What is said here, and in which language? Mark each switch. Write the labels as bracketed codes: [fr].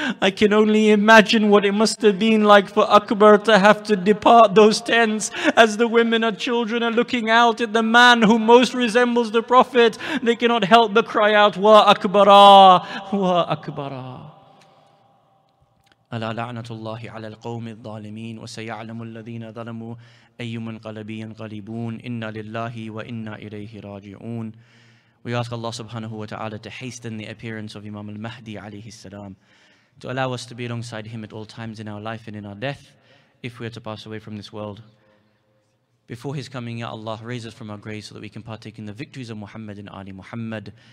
[en] I can only imagine what it must have been like for Akbar to have to depart those tents as the women and children are looking out at the man who most resembles the Prophet. They cannot help but cry out, Wa Akbara, Wa Akbara. [ar] ألا لعنة الله على القوم الظالمين وسيعلم الذين ظلموا أي منقلب ينقلبون إنا لله وإنا إليه راجعون. [en] We ask Allah subhanahu wa ta'ala to hasten the appearance of Imam al-Mahdi alayhi salam, to allow us to be alongside him at all times in our life and in our death, if we are to pass away from this world. Before his coming, Ya Allah, raise us from our graves so that we can partake in the victories of Muhammad and Ali Muhammad.